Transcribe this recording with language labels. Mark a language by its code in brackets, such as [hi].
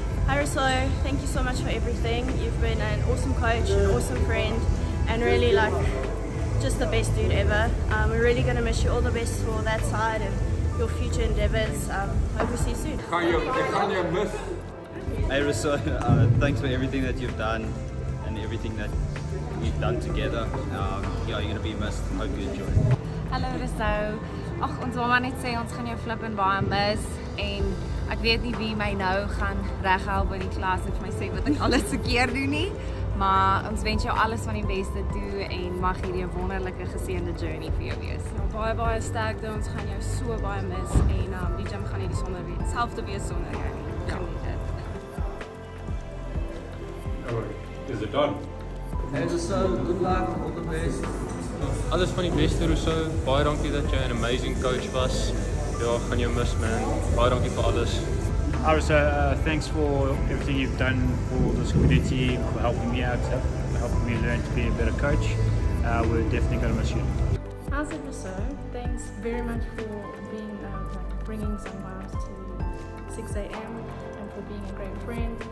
[en] Hi Rousseau, thank you so much for everything. You've been an awesome coach, an awesome friend and really like just the best dude ever. We're really going to miss you. All the best for that side and your future endeavors. Hope we see you soon. Hey Rousseau, thanks for everything that you've done and everything that we've done together. You're going to be missed. Hope you enjoy. Hello Rousseau. [af] Ag, ons wil maar net sê ons gaan jou flip en baie mis en ek weet nie wie my nou gaan reghelp by die klas en vir my sê wat ek alles verkeerd doen nie, maar ons wens jou alles van die beste toe en mag hierdie 'n wonderlike geseënde journey vir jou wees. Nou, baie baie sterkte. Ons gaan jou so baie mis en die gym gaan hierdie sonder wees. Selfde wees sonder jou. Geniet dit. [en] Alright, is it done? Hey Rousseau, good luck, all the best. [af] Alles van die beste Rousseau, baie dankie dat jy 'n amazing coach was. Ja, gaan jou mis man, baie dankie vir alles. [en] Hi Rousseau, thanks for everything you've done for this community, for helping me out, helping me learn to be a better coach. We're definitely going to miss you. How's it Rousseau? Thanks very much for being bringing some vibes to 6 AM and for being a great friend.